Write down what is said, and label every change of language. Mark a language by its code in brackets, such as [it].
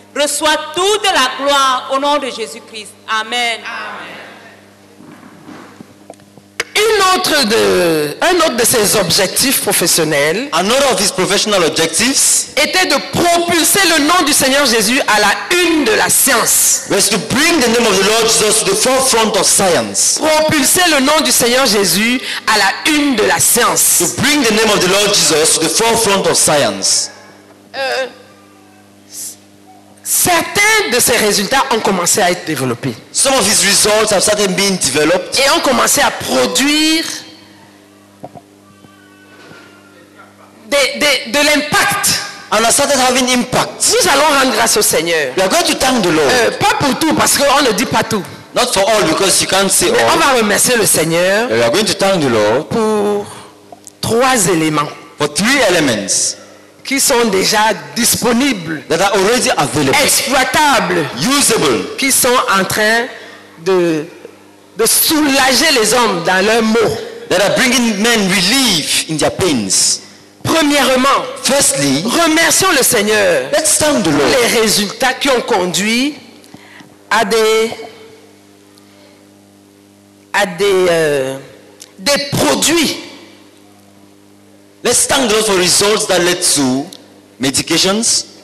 [fr] Reçois toute la gloire au nom de Jésus-Christ. Amen. Amen. Un autre de ses objectifs professionnels, [en] another of his professional objectives, [fr] était de propulser le nom du Seigneur Jésus à la une de la science. [en] Was to bring the name of the Lord Jesus to the forefront of science. [fr] Propulser le nom du Seigneur Jésus à la une de la science. [en] To bring the name of the Lord Jesus to the forefront of science. [fr] Certains de ses résultats ont commencé à être développés. [en] Some of his results have started being developed. [fr] Et ont commencé à produire de l'impact. [en] And has started having impact. [fr] Nous allons rendre grâce au Seigneur. [en] We are going to thank the Lord. [fr] Pas pour tout, parce qu'on ne dit pas tout. [en] Not for all, because you can't say [fr] Mais [en] all. [fr] On va remercier le Seigneur. [en] We are going to thank the Lord. [fr] Pour trois éléments. [en] For three elements. [fr] Qui sont déjà disponibles. [en] That are already available. [fr] Exploitables. [en] Usable. [fr] Qui sont en train de soulager les hommes dans leurs maux. [en] That are bringing men relief in their pains. [fr] Premièrement, [en] firstly, [fr] remercions le Seigneur pour les résultats qui ont conduit à des produits. [en] Let's thank the Lord for results that led to medications